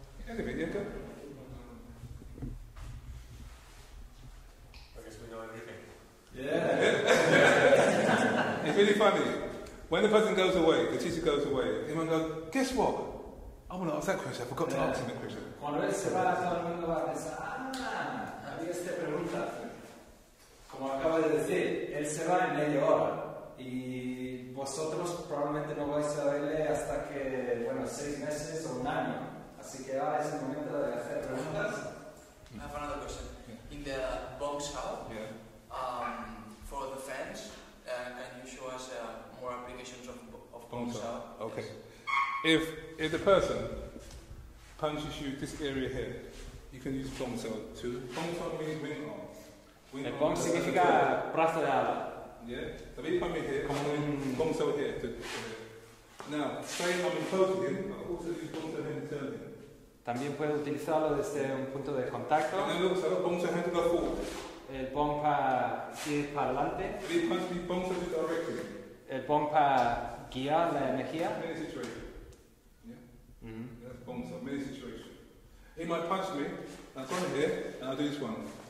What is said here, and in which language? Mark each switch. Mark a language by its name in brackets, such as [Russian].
[English] I guess we know everything. Yeah. It's really funny. When the person goes away, the teacher goes away, everyone goes, guess what? I want to ask that question. I forgot to ask him that question. [Spanish] Cuando él se va, todo el mundo va a pensar, ah, había esta pregunta. Como acaba de decir, él se va en media hora. Y vosotros probablemente no vais a verle hasta que, bueno, 6 meses o un año. Así que ahora es el momento de hacer preguntas. [English] I have another question. Yeah. In the box hall, yeah. For the fans, can you show us more applications of box hall? Okay. Yes. If the person punches you this area here, you can use box hall too. Box hall means wing arm. Wing arm. [Spanish] Box significa brazo de ala. [English] Yeah, so if you put me here, come on, bongs over here. Now, say I'm in close with him, I can also use bongs over here internally. [Spanish] También puedes utilizarlo desde un punto de contacto. [English] And then look, so bongs over here to go forward. [Spanish] El bong para ir para adelante. [English] If you punch me, bongs over here directly. [Spanish] El bong para guiar la energía. [English] Many situations. Yeah? Mm-hmm. That's bongs over, many situations. He might punch me, I'll come here, and I'll do this one.